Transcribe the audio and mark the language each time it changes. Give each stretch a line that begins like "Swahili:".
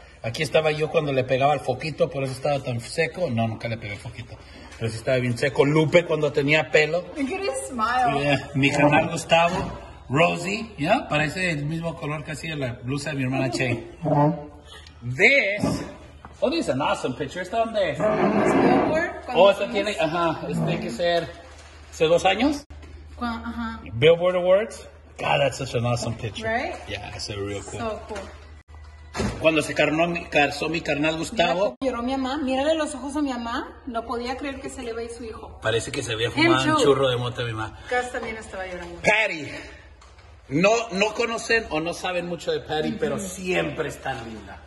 Spanish: Aquí estaba yo cuando le pegaba el foquito, por eso estaba tan seco. No, nunca le pegué el foquito. Pero sí estaba bien seco. Lupe cuando tenía pelo.
English: Smile. Yeah.
Spanish: Mi carnal Gustavo. Rosie, ¿ya?
English: Yeah,
Spanish: parece el mismo color casi de la blusa de mi hermana Che.
English: This. Oh, this is an awesome picture.
Spanish: ¿Está dónde? Oh, eso tiene. Ajá. Eso tiene que ser. ¿Hace dos años? Ajá.
English: Billboard Awards. God, that's such an awesome picture. Right? Yeah, it's a real cool. So cool.
Spanish: Cuando se casó mi carnal Gustavo. Mira, lloró mi mamá. Mírale los ojos a mi mamá. No podía creer que se le veía su hijo. Parece que se había fumado un churro de mota a mi mamá. Cass también estaba llorando. Patty. No conocen o no saben mucho de Patty, mm-hmm. pero siempre es tan linda.